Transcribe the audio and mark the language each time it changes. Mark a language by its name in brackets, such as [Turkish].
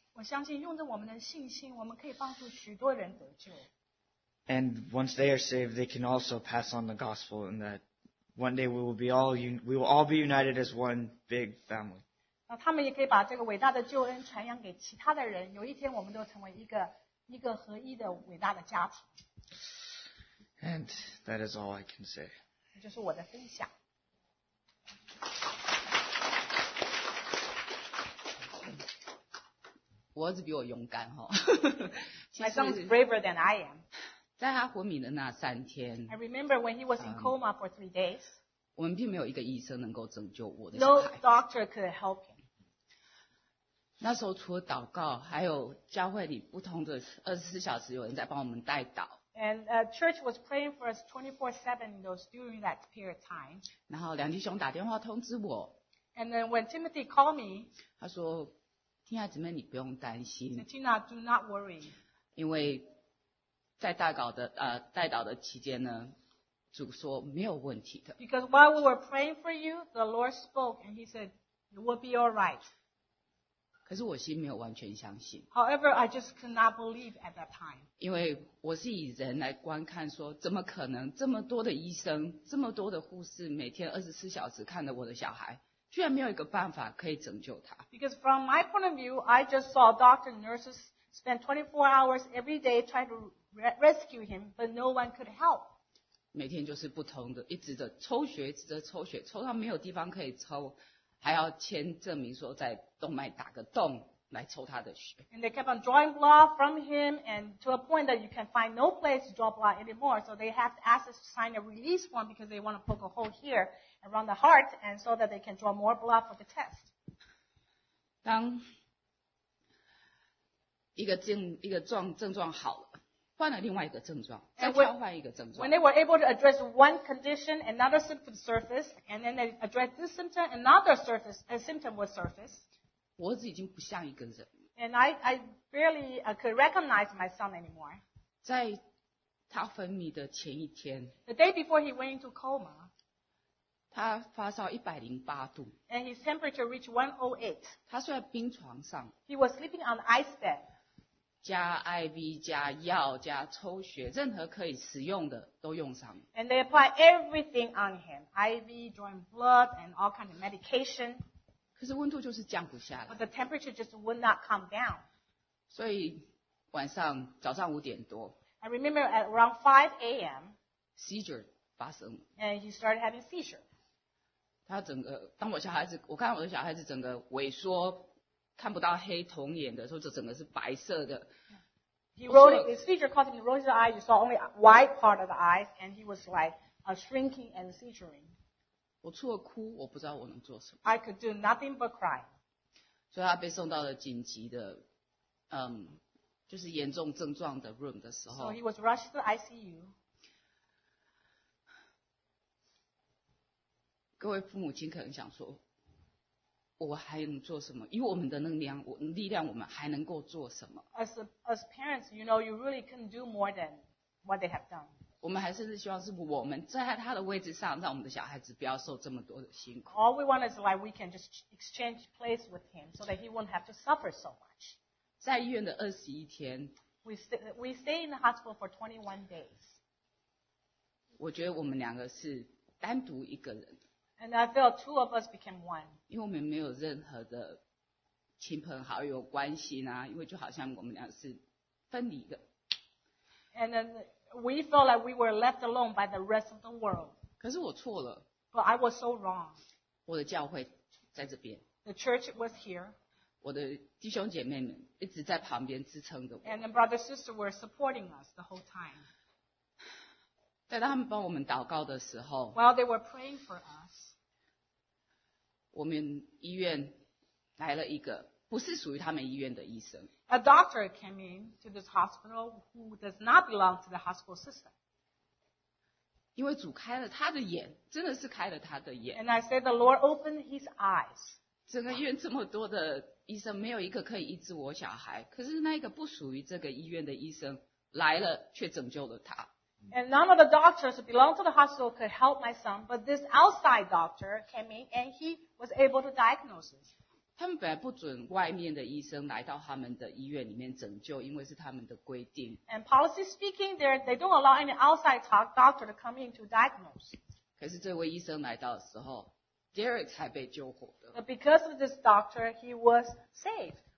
[Chinese] 我相信用着我们的信心，我们可以帮助许多人得救。 [English] And once they are saved, they can also pass on the gospel in that one day we will all be united as one big family. [Chinese] 他们也可以把这个伟大的救恩传扬给其他的人，有一天我们都成为一个合一的伟大的家庭。 [English] And that is all I can say. [Chinese] 就是我的分享。我儿子比我勇敢哈。 [English] My son is braver than I am. [Chinese] 在他昏迷的那三天 [English] ，I remember when he was in coma for 3 days. [Chinese] 我们并没有一个医生能够拯救我的小孩。 [English] No doctor could help him. [Chinese] 那时候除了祷告，还有教会里不同的24小时有人在帮我们代祷。 [English] And church was praying for us 24/7 during that period of time. [Chinese] 然后梁弟兄打电话通知我。 [English] And then when Timothy called me, [Chinese] 他说。亲爱的姊妹，你不用担心。 [English] Tina, do not worry. [Chinese] 因为在代祷的期间呢，主说没有问题的。 [English] Because while we were praying for you, the Lord spoke and He said it will be all right. [Chinese] 可是我心没有完全相信。 [English] However, I just could not believe at that time. [Chinese] 因为我是以人来观看说，怎么可能这么多的医生、这么多的护士，每天24小时看着我的小孩？居然没有一个办法可以拯救他。 [English] Because from my point of view, I just saw doctors and nurses spend 24 hours every day trying to rescue him, but no one could help. [Chinese] 每天就是不同的，一直的抽血，一直的抽血，抽到没有地方可以抽，还要签证明说在动脉打个洞来抽他的血。 [English] And they kept on drawing blood from him, and to a point that you can find no place to draw blood anymore, so they have to ask us to sign a release form because they want to poke a hole here. Around the heart, and so that they can draw more blood for the test. [Chinese] 当一个症状好了，换了另外一个症状，再交换一个症状。 [English] When they were able to address one condition, another symptom surfaced, and then they addressed this symptom, another symptom was surfaced. [Chinese] 我儿子已经不像一个人。 [English] And I barely could recognize my son anymore. [Chinese] 在他昏迷的前一天 [English] ，The day before he went into coma. [Chinese] 他发烧108度。 [English] And his temperature reached 108. [Chinese] 他睡在冰床上。 [English] He was sleeping on the ice bed. [Chinese] 加 IV, 加药加抽血任何可以使用的都用上。 [English] And they applied everything on him. IV, drawing blood, and all kinds of medication. [Chinese] 可是温度就是降不下来。 [English] But the temperature just would not come down. [Chinese] 所以晚上早上五点多。 [English] I remember at around 5 a.m. [Chinese] Seizure 发生。 [English] And he started having seizure. [Chinese] 他整个当我小孩子我看我的小孩子整个萎缩看不到黑瞳眼的时候这整个是白色的。 [English] His seizure caused him to roll his eyes, you saw only white part of the eyes, and he was like a shrinking and seizuring. [Chinese] 我除了哭我不知道我能做什么。 [English] I could do nothing but cry. [Chinese] 所以他被送到了紧急的就是严重症状的 room 的时候。 [English] So he was rushed to the ICU. [Chinese] 各位父母亲可能想说我还能做什么？以我们的能量，我力量，我们还能够做什么 [English] ？As parents, you know, you really couldn't do more than what they have done. [Chinese] 我们还甚至希望是我们在他的位置上，让我们的小孩子不要受这么多的辛苦。 [English] All we want is like we can just exchange place with him, so that he won't have to suffer so much. [Chinese] 在医院的21天 [English] ，we stay in the hospital for 21 days. [Chinese] 我觉得我们两个是单独一个人。 [English] And I felt two of us became one. [Chinese] 因为我们没有任何的亲朋好友关系呢，因为就好像我们俩是分离的。 [English] And then we felt like we were left alone by the rest of the world. [Chinese] 可是我错了。 [English] But I was so wrong. [Chinese] 我的教会在这边。 [English] The church was here. [Chinese] 我的弟兄姐妹们一直在旁边支撑着我。 [English] And the brothers and sisters were supporting us the whole time. [Chinese] 在他们帮我们祷告的时候。 [English] While they were praying for us. [Chinese] 我们医院来了一个不是属于他们医院的医生。 [English] A doctor came in to this hospital who does not belong to the hospital system. [Chinese] 因为主开了他的眼，真的是开了他的眼。 [English] And I said the Lord opened his eyes. [Chinese] 整个医院这么多的医生，没有一个可以医治我小孩。可是那个不属于这个医院的医生来了，却拯救了他。 [English] And none of the doctors belong to the hospital could help my son, but this outside doctor came in and he was able to diagnose it. [Chinese] 他们本来不准外面的医生来到他们的医院里面拯救，因为是他们的规定。 [English] And policy speaking, they don't allow any outside doctor to come in to diagnose. [Chinese] 可是这位医生来到的时候 ，Derek 才被救活的。 [English] But because of this doctor, he was saved.